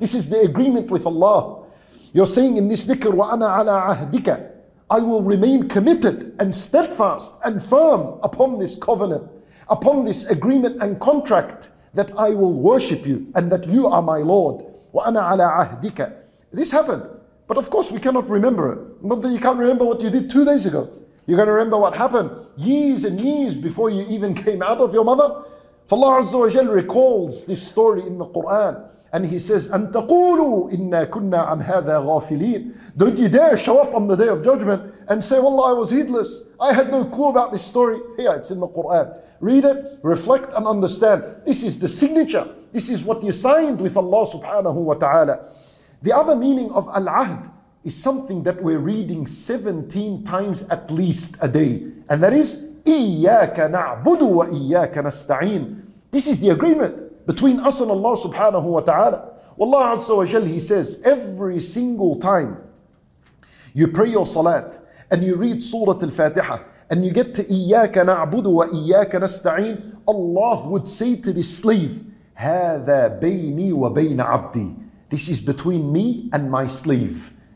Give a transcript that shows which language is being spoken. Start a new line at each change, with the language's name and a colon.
English: This is the agreement with Allah. You're saying in this dhikr,
Arabic: وَأَنَا عَلَىٰ عَهْدِكَ,
English: I will remain committed and steadfast and firm upon this covenant, upon this agreement and contract, that I will worship you and that you are my Lord.
Arabic: وَأَنَا عَلَىٰ عَهْدِكَ.
English: This happened, but of course we cannot remember it. Not that you can't remember what you did 2 days ago. You're going to remember what happened years and years before you even came out of your mother.
Arabic: فَاللَّهُ عَزَّ وَجَلْ
English: recalls this story in the Qur'an, and He says,
Arabic: أَن تَقُولُوا إِنَّا كُنَّا عَنْ هَذَا غَافِلِينَ.
English: Don't you dare show up on the Day of Judgment and say, wallah, I was heedless, I had no clue about this story. Here, it's in the Qur'an. Read it, reflect and understand. This is the signature. This is what you signed with Allah subhanahu wa ta'ala. The other meaning of al-ahd is something that we're reading 17 times at least a day. And that is,
Arabic: إِيَّاكَ نَعْبُدُ وَإِيَّاكَ نَسْتَعِينَ.
English: This is the agreement between us and Allah subhanahu wa ta'ala. Wallah Azza wa Jal, He says, every single time you pray your salat and you read Surah Al-Fatiha and you get to
Arabic: إِيَّاكَ نَعْبُدُ وَإِيَّاكَ نَسْتَعِينَ,
English: Allah would say to this slave,
Arabic: هَذَا بَيْنِي وَبَيْنَ عَبْدِي,
English: this is between me and my slave.